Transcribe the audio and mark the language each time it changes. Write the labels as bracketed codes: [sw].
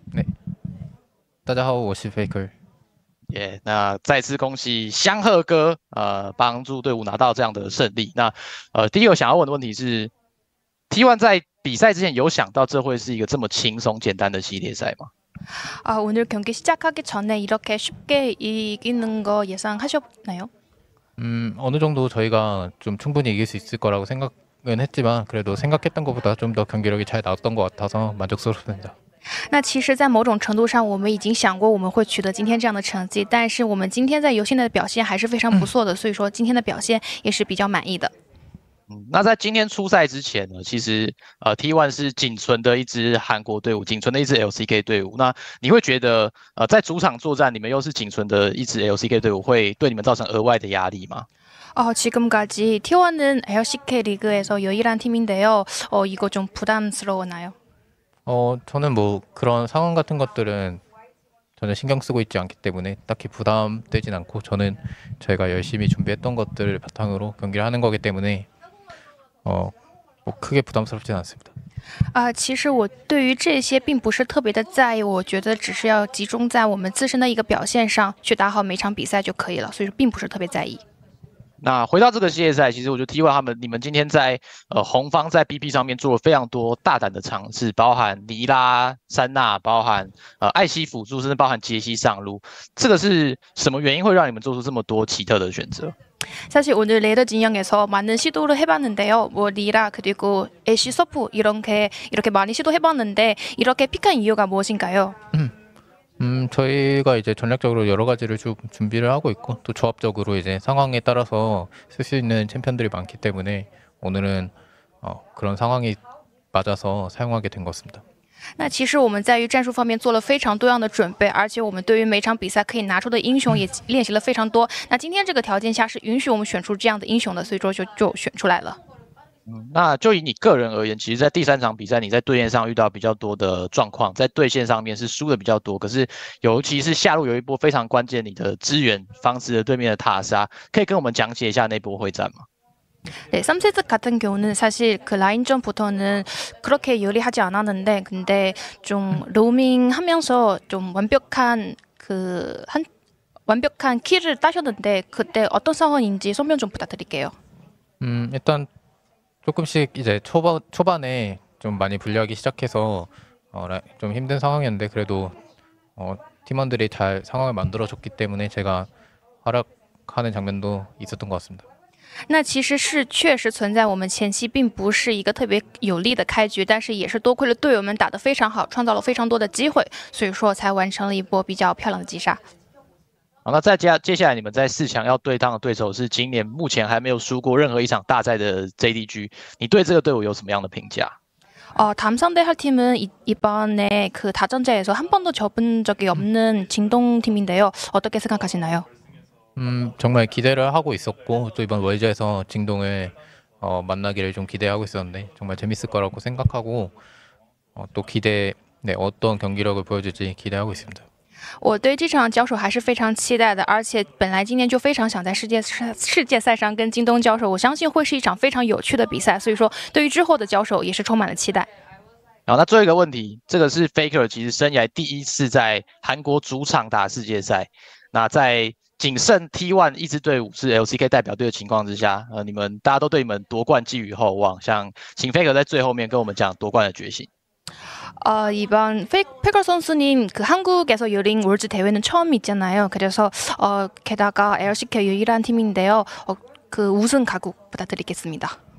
[zh] 네，大家好，我是 Faker。 Yeah， 那再次恭喜香赫哥帮助队伍拿到这样的胜利。那第一个想要问的问题是 ，T1 在比赛之前有想到这会是一个这么轻松简单的系列赛吗？ [ko] 아오늘경기시작하기전에이렇게쉽게이기는거예상하셨나요 어느정도저희가좀충분히이길수있을거라고생각은했지만그래도생각했던것보다좀더경기력이잘나왔던것같아서만족스럽습니다 [zh] 那其实在某种程度上我们已经想过我们会取得今天这样的成绩，但是我们今天在游戏内的表现还是非常不错的，所以说今天的表现也是比较满意的。那在今天出赛之前呢，其实T1 是仅存的一支韩国队伍，仅存的一支 LCK 队伍。那你会觉得在主场作战，你们又是仅存的一支 LCK 队伍，会对你们造成额外的压力吗？ [ko] 지금까지 T1은 LCK 리그에서유일한팀인데요이거좀부담스러웠나요 저는뭐그런상황같은것들은전혀신경쓰고있지않기때문에딱히부담되진않고저는저희가열심히준비했던것들을바탕으로경기를하는거기때문에뭐크게부담스럽지는않습니다 [zh] 아其实我对于这些并不是特别的在意，我觉得只是要集中在我们自身的一个表现上，去打好每场比赛就可以了，所以说并不是特别在意。那回到这个系列赛，其实我觉得 T1 你们今天在红方在 BP 上面做了非常多大胆的尝试，包含尼拉、山娜，包含艾希辅助，甚至包含杰西上路，这个是什么原因会让你们做出这么多奇特的选择？ [ko] 사실 오늘 레이더 진영에서 많은 시도를 해봤는데요 뭐 니라 그리고 애쉬 서프 이렇게 많이 시도해봤는데 이렇게 픽한 이유가 무엇인가요 저희가 이제 전략적으로 여러 가지를 준비를 하고 있고 또 조합적으로 이제 상황에 따라서 쓸 수 있는 챔피언들이 많기 때문에 오늘은 그런 상황이 맞아서 사용하게 된 것 같습니다 [zh] 那其实我们在于战术方面做了非常多样的准备，而且我们对于每场比赛可以拿出的英雄也练习了非常多。那今天这个条件下是允许我们选出这样的英雄的，所以说就选出来了。那就以你个人而言，其实在第三场比赛你在对线上遇到比较多的状况，在对线上面是输的比较多，可是尤其是下路有一波非常关键你的支援方式的对面的塔杀，可以跟我们讲解一下那波会战吗？ [ko] 네 3세트 같은 경우는 사실 그 라인전부터는 그렇게 유리하지 않았는데 근데 좀 로밍 하면서 좀 완벽한 그 한 완벽한 킬을 따셨는데 그때 어떤 상황인지 설명 좀 부탁드릴게요. 일단 조금씩 이제 초반에 좀 많이 불리하기 시작해서 좀 힘든 상황이었는데 그래도 팀원들이 잘 상황을 만들어줬기 때문에 제가 하락하는 장면도 있었던 것 같습니다 [zh] 那其实是确实存在我们前期并不是一个特别有利的开局，但是也是多亏了队友们打得非常好，创造了非常多的机会，所以说才完成了一波比较漂亮的击杀。好，那在接下来你们在四强要对抗的对手是今年目前还没有输过任何一场大赛的 JDG， 你对这个队伍有什么样的评价？ [ko] 다음상대할팀은 이번에 그 다전제에서 한 번도 접은 적이 없는 진동 팀인데요 어떻게 생각하시나요 정말 기대를 하고 있었고 또 이번 월드에서 징동을 만나기를 좀 기대하고 있었는데 정말 재밌을 거라고 생각하고 또 기대 네 어떤 경기력을 보여줄지 기대하고 있습니다 [zh] 我对这场交手还是非常期待的，而且本来今天就非常想在世界赛上跟京东交手，我相信会是一场非常有趣的比赛，所以说对于之后的交手也是充满了期待。好，那最后一个问题，这个是 Faker 其实生涯第一次在韩国主场打世界赛，那在仅剩 T1 一支队伍是 LCK 代表队的情况之下，你们大家都对你们夺冠寄予厚望，想请 Faker 在最后面跟我们讲夺冠的决心。 [ko] 이번 Faker 선수님그한국에서열린월드대회는처음이잖아요그래서게다가 LCK 유일한팀인데요그우승각오부탁드리겠습니다